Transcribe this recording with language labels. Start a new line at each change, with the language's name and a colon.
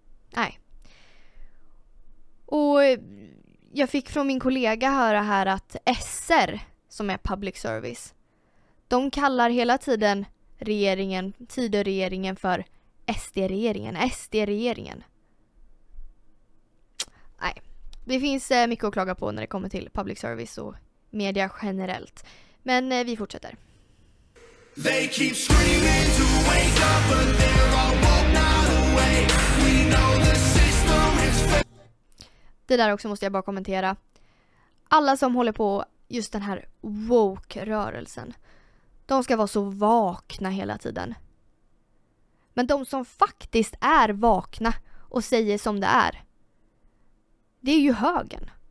Swedish: Nej. Och jag fick från min kollega höra här att SR, som är public service, de kallar hela tiden regeringen, Tidöregeringen, för SD-regeringen. SD-regeringen. Nej, det finns mycket att klaga på när det kommer till public service och media generellt. Men vi fortsätter.
English: They keep screaming to wake up, but they're all walked out away. We know the system is fake.
Swedish: Det där också måste jag bara kommentera. Alla som håller på just den här woke-rörelsen, de ska vara så vakna hela tiden. Men de som faktiskt är vakna och säger som det är, det är ju högern.